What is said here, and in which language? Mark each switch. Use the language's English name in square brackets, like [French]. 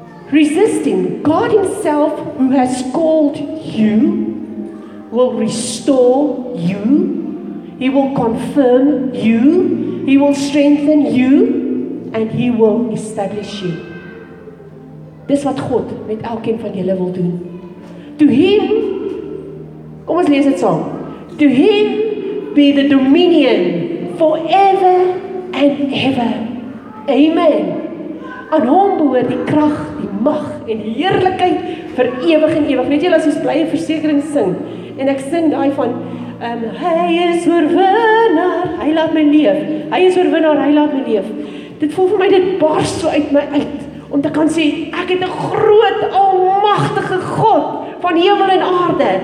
[English] Resisting God himself who has called you will restore you. He will confirm you. He will strengthen you and he will establish you. [Afrikaans] Dis wat God met elkeen van julle wil doen. [English] To him, [Afrikaans] kom ons lees dit saam. [English] To him be the dominion forever and ever. Amen. [Afrikaans] Aan hom behoort die krag, die mag en die heerlikheid vir ewig en ewig. Net julle as ons blye versekering sing. En ek sing daai van hy is oorwinnaar, hy laat my leef. Hy is oorwinnaar, hy laat my leef. Dit voel vir my dit bars so uit my uit om te kan sê ek het 'n groot almagtige God van hemel en aarde.